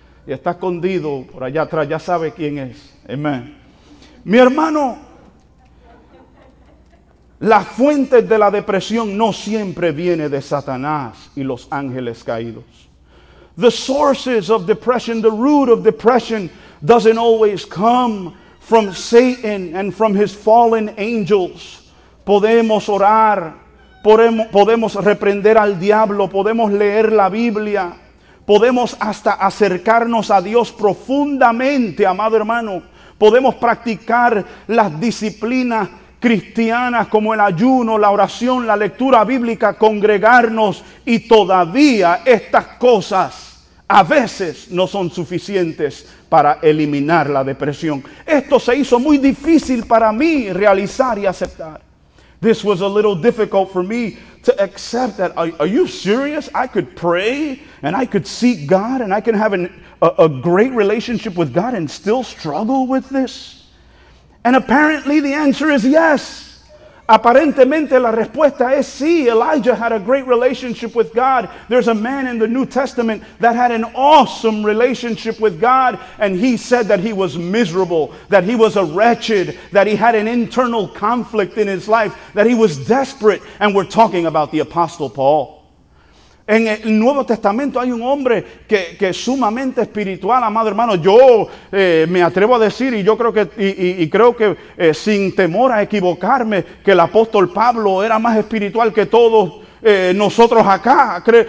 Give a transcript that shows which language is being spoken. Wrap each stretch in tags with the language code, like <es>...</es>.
<es>Y está escondido por allá atrás. Ya sabe quién es. Amén. Mi hermano. La fuente de la depresión no siempre viene de Satanás y los ángeles caídos.</es> <en>The sources of depression, the root of depression, doesn't always come from Satan and from his fallen angels.</en> <es>Podemos orar, podemos reprender al diablo, podemos leer la Biblia, podemos hasta acercarnos a Dios profundamente, amado hermano. Podemos practicar las disciplinas cristianas como el ayuno, la oración, la lectura bíblica, congregarnos, y todavía estas cosas a veces no son suficientes para eliminar la depresión. Esto se hizo muy difícil para mí realizar y aceptar.</es> <en>This was a little difficult for me to accept that. Are you serious? I could pray and I could seek God and I can have a great relationship with God and still struggle with this. And apparently the answer is yes.</en> <es>Aparentemente la respuesta es sí.</es> <en>Elijah had a great relationship with God. There's a man in the New Testament that had an awesome relationship with God. And he said that he was miserable, that he was a wretched, that he had an internal conflict in his life, that he was desperate. And we're talking about the Apostle Paul.</en> <es>En el Nuevo Testamento hay un hombre que es sumamente espiritual, amado hermano. Yo me atrevo a decir, y yo creo que sin temor a equivocarme, que el apóstol Pablo era más espiritual que todos nosotros acá.</es>